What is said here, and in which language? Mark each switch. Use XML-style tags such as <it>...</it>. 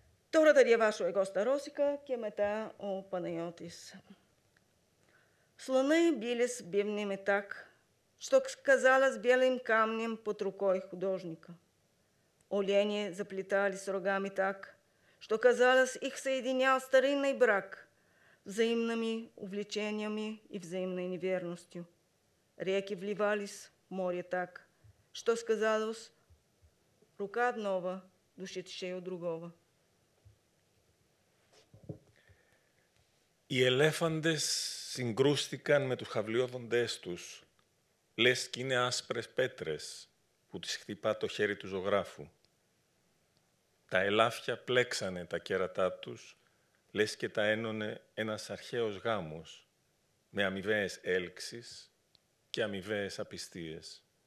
<el>Τώρα θα διαβάσω εγώ στα ρώσικα και μετά ο Παναγιώτης.</el> <ru>Слоны бились бивнями так, что казалось белым камнем под рукой художника. Олени заплетались рогами так, что казалось их соединял старинный брак взаимными увлечениями и взаимной неверностью. Реки вливались в море так, что сказалось, рука одного душит шею другого.</ru> <el>Οι ελέφαντες συγκρούστηκαν με τους χαυλιόδοντές τους, λες κι είναι άσπρες πέτρες που τις χτυπά το χέρι του ζωγράφου. Τα ελάφια πλέξανε τα κέρατά τους, λες και τα ένωνε ένας αρχαίος γάμος, με αμοιβαίες έλξεις και αμοιβαίες απιστίες.</el>